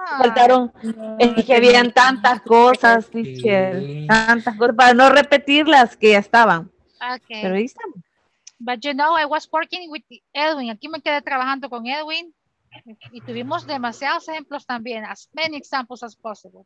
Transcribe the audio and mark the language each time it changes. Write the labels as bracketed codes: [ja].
[es] Faltaron, es que habían tantas cosas, teacher, tantas cosas, para no repetirlas que ya estaban. [en] Okay. [es] Pero ahí están. [en] But you know, I was working with Edwin. [es] Aquí me quedé trabajando con Edwin. Y tuvimos demasiados ejemplos también, [en] as many examples as possible.